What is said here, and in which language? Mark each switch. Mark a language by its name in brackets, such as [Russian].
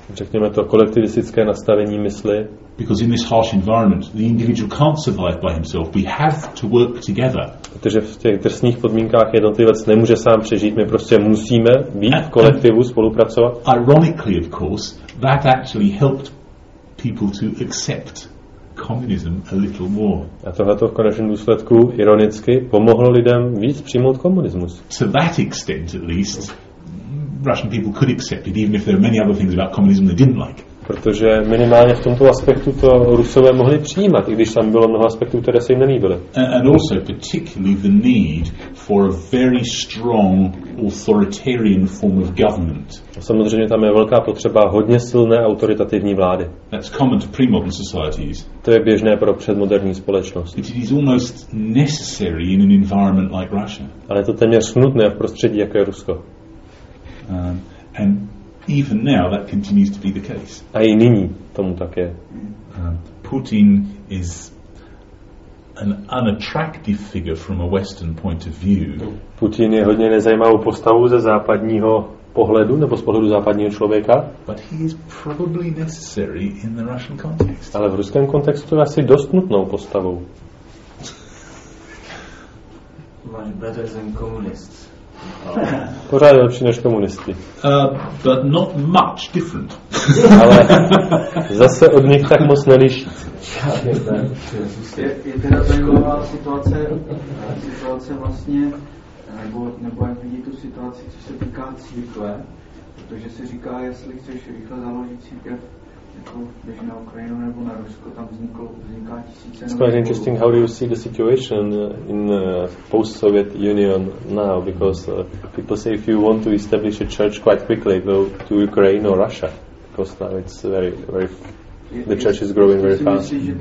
[Czech] Řekněme to kolektivistické nastavení mysli. [English] Because in this harsh environment, the individual can't survive by himself. We have to work together. [Czech] Protože v těch drsných podmínkách jednotlivec nemůže sám přežít. My prostě musíme být v kolektivu spolupracovat. [English] Ironically, of course, that actually helped people to accept communism a little more. [Czech] A tohle to v konečném důsledku ironicky pomohlo lidem víc přijmout komunismus. [English] To that extent at least Russian people could accept it, even if there are many other things about communism they didn't like. [Czech] Protože minimálně v tomto aspektu to Rusové mohli přijímat, i když tam bylo mnoho aspektů, které se jim nelíbily. [English] And also particularly the need for a very strong authoritarian form of government. [Czech] Samozřejmě tam je velká potřeba hodně silné autoritativní vlády. [English] That's common to pre-modern societies. [Czech] To je běžné pro předmoderní společnost. [English] It is almost necessary in an environment like Russia. [Czech] Ale je to téměř nutné v prostředí, jako je Rusko. [English] And even now that continues to be the case. [Czech] A i nyní tomu tak je. [English] Putin is an unattractive figure from a Western point of view. [Czech] Putin je hodně nezajímavou postavu ze západního pohledu nebo z pohledu západního člověka. [English] But he is probably necessary in the Russian context. [Czech] Ale v ruském kontextu je asi dost nutnou postavou. [English] Much better than communists. [Czech] Pořád je lepší než komunisti. [English] But not much different. [Czech] Ale zase od nich tak moc neliší. Je teda taková situace vlastně, nebo jak vidí tu situaci, co se týká církve, protože se říká, jestli chceš rychle založit církev, [English] It's quite interesting how do you see the situation in the post-Soviet Union now, because people say if you want to establish a church quite quickly, go to Ukraine or Russia, because now it's very, very, the church is growing very fast.